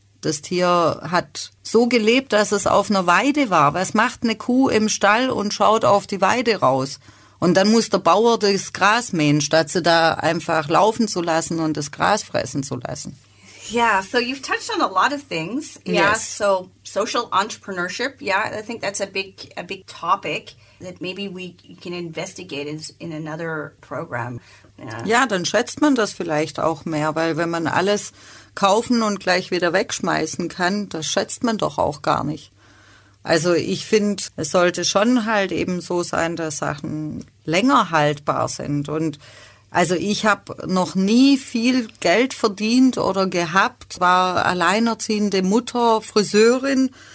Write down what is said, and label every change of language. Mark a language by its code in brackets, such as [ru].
[de] Das Tier hat so gelebt, dass es auf einer Weide war. Was macht eine Kuh im Stall und schaut auf die Weide raus? Und dann muss der Bauer das Gras mähen, statt sie da einfach laufen zu lassen und das Gras fressen zu lassen. [en] Yeah, so you've touched on a lot of things. Yeah, yes. So social entrepreneurship. Yeah, I think that's a big topic that maybe we can investigate in another program. Yeah. [de] Ja, dann schätzt man das vielleicht auch mehr, weil wenn man alles kaufen und gleich wieder wegschmeißen kann, das schätzt man doch auch gar nicht. Also ich finde, es sollte schon halt eben so sein, dass Sachen länger haltbar sind. Und also ich habe noch nie viel Geld verdient oder gehabt, war alleinerziehende Mutter, Friseurin.